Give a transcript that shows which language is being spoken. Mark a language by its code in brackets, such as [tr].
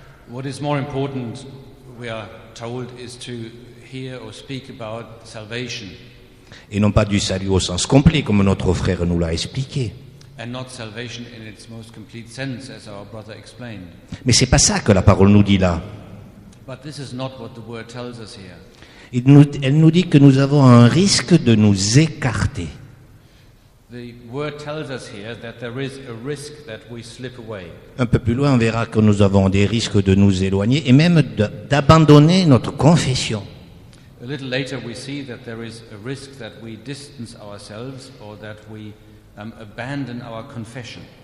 [en] What is more important, we are told, is to hear or speak about salvation. [fr] Et non pas du salut au sens complet, comme notre frère nous l'a expliqué. [en] And not salvation in its most complete sense, as our brother explained. [fr] Mais c'est pas ça que la parole nous dit là. [en] But this is not what the word tells us here. [fr] Elle nous dit que nous avons un risque de nous écarter. [en] The word tells us here that there is a risk that we slip away. [fr] Un peu plus loin, on verra que nous avons des risques de nous éloigner et même d'abandonner notre confession. [en] A little later we see that there is a risk that we distance ourselves or that we abandon our confession.